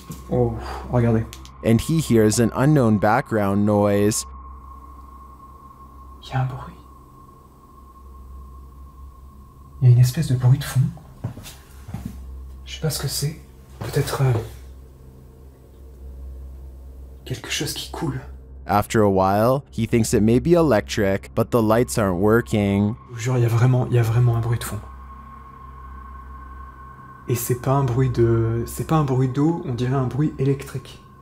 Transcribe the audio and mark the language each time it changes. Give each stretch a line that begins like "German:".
French: Oh, regardez.
English: And he hears an unknown background noise.
French: Il y a un bruit. Il y a une espèce de bruit de fond. Je sais pas ce que c'est. Peut-être quelque chose qui coule.
English: After a while, he thinks it may be electric, but the lights aren't working.
French: Genre, il y a vraiment un bruit de fond. Et c'est pas un bruit d'eau, on dirait un bruit électrique.